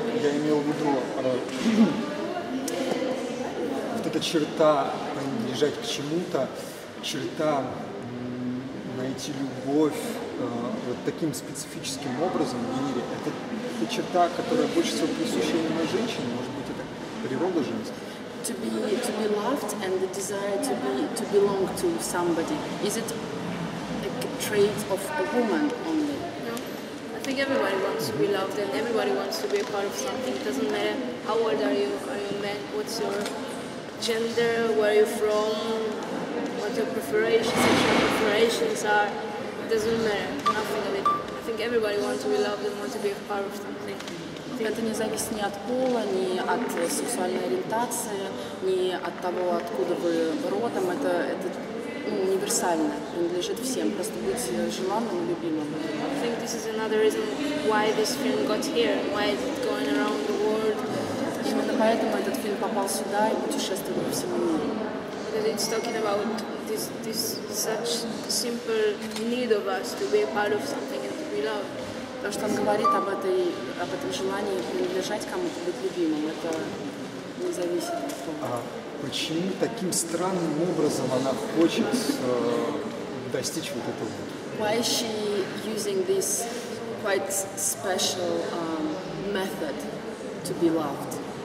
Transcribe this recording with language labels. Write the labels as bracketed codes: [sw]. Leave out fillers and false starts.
[ru] Я имел в виду, вот эта черта принадлежать к чему-то, черта найти любовь вот таким специфическим образом в мире, это черта, которая больше всего присуща именно женщине, может быть, это природа женская. [en] To be loved and the desire to belong to somebody, is it like a trait of a woman only? I think everybody wants to be loved and everybody wants to be a part of something. It doesn't matter how old are you a man, what's your gender, where are you from, what your preferences are. It doesn't matter, nothing of it. I think everybody wants to be loved and wants to be a part of something. [ru] Это не зависит ни от пола, ни от сексуальной ориентации, ни от того, откуда вы родом. Это универсально, принадлежит всем. Просто быть желанным и любимым. [en] I think this is another reason why this film got here, why is it going around the world. [ru] Именно поэтому этот фильм попал сюда и путешествовал по всему миру. [en] Because it's talking about this such simple need of us to be a part of something and to be loved. [ru] То, что он говорит об этом желании принадлежать кому-то, быть любимым, это не зависит от того. Почему таким странным образом она хочет достичь вот этого? [en] Why is she using this quite special method to be loved?